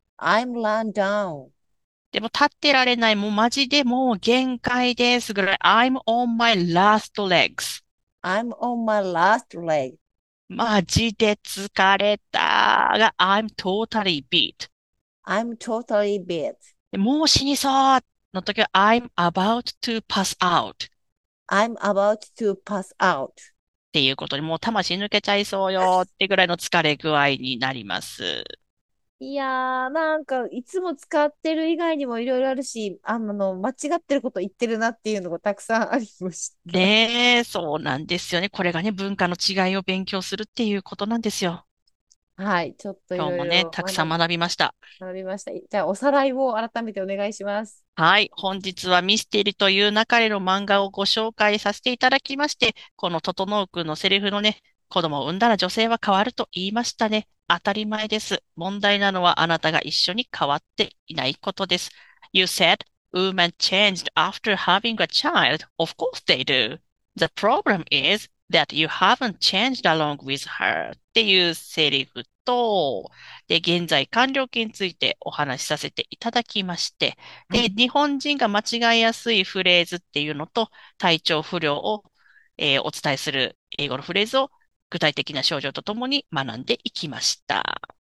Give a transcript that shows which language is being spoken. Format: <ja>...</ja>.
<en>I'm run down.</en> <ja>でも立ってられない。もうマジでもう限界ですぐらい。</ja> <en>I'm on my last legs。 I'm on my last leg.</en> <ja>マジで疲れたが、</ja> <en>I'm totally beat。 I'm totally beat.</en> <ja>もう死にそうの時は、</ja> <en>I'm about to pass out。 I'm about to pass out.</en> <ja>っていうことに、もう魂抜けちゃいそうよってぐらいの疲れ具合になります。いやー、なんか、いつも使ってる以外にもいろいろあるし、間違ってること言ってるなっていうのがたくさんありました。ねえ、そうなんですよね。これがね、文化の違いを勉強するっていうことなんですよ。はい、ちょっといろ今日もね、ろたくさん学びました。学びました。じゃあ、おさらいを改めてお願いします。はい。本日はミステリーという勿れの漫画をご紹介させていただきまして、この整君のセリフのね、子供を産んだら女性は変わると言いましたね。当たり前です。問題なのはあなたが一緒に変わっていないことです。</ja> <en>You said women changed after having a child. Of course they do. The problem is that you haven't changed along with her</en> <ja>っていうセリフと、で、現在完了形についてお話しさせていただきまして、で、日本人が間違いやすいフレーズっていうのと、体調不良を、お伝えする英語のフレーズを具体的な症状とともに学んでいきました。</ja>